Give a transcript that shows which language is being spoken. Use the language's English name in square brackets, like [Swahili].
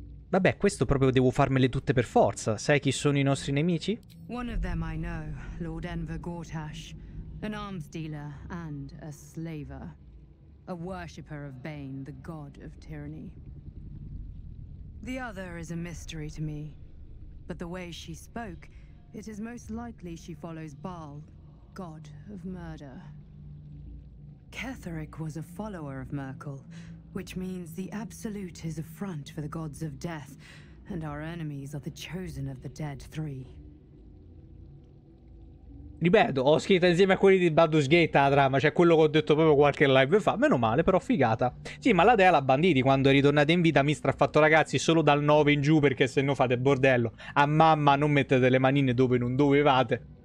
[Italian] Vabbè, questo proprio devo farmele tutte per forza. Sai chi sono i nostri nemici? [English] One of them I know, Lord Enver Gortash. An arms dealer and a slaver. A worshipper of Bane, the god of tyranny. The other is a mystery to me. But the way she spoke, it is most likely she follows Baal, god of murder. Ketherick was a follower of Merkel, which means the Absolute is a front for the gods of death, and our enemies are the chosen of the dead three. [Italian] Ripeto, ho scritto insieme a quelli di Baldur's Gate la trama, cioè quello che ho detto proprio qualche live fa. Meno male, però figata. Sì, ma la dea l'ha banditi. Quando è ritornata in vita, Mistra ha fatto, ragazzi, solo dal 9 in giù, perché se no fate bordello. A mamma non mettete le manine dove non dovevate.